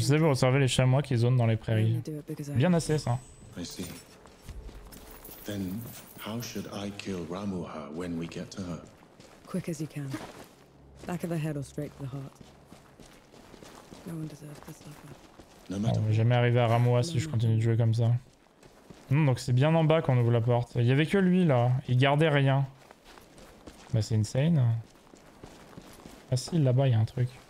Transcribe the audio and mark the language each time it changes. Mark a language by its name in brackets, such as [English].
[French] Je sais vous observez les chamois qui zonent dans les prairies. Bien assez ça. [English] I see. Then how should I kill Ramuha when we get to her? Quick as you can. Back of the head or straight to the heart. No one deserves to suffer. [French] On va jamais arriver à Ramuha si je continue de jouer comme ça. Non, donc c'est bien en bas qu'on ouvre la porte. Il y avait que lui là. Il gardait rien. Bah c'est insane. Ah si, là-bas il y a un truc.